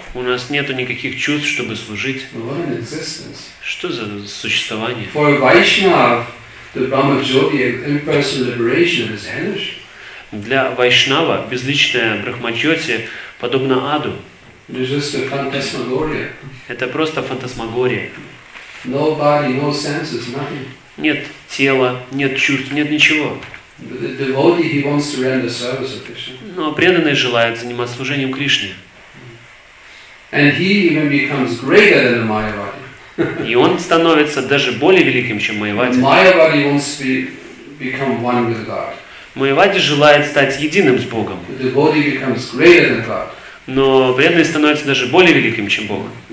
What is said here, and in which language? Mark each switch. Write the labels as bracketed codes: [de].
[ru] У нас нету никаких чувств, чтобы служить. [en] What an existence. [ru] Что за существование? [en] For a Vaishnav, the Brahmajoti impersonal liberation is hellish. [ru] Для Вайшнава безличное Брахмаджоти подобно аду. [en] It's just a phantasmagoria. [ru] Это просто фантасмагория. [en] No body, no senses, nothing. [ru] Нет тела, нет чувств, нет ничего. [en] The devotee, he wants to render service of Krishna. [ru] Но преданный желает заниматься служением Кришне. [en] And he even becomes greater than the Mayavadi. [ru] И он становится даже более великим, чем Майявади. [en] Mayavadi wants to become one with God. [ru] Майявади желает стать единым с Богом. [en] The devotee becomes greater than God. [ru] Но преданный становится даже более великим, чем Бог.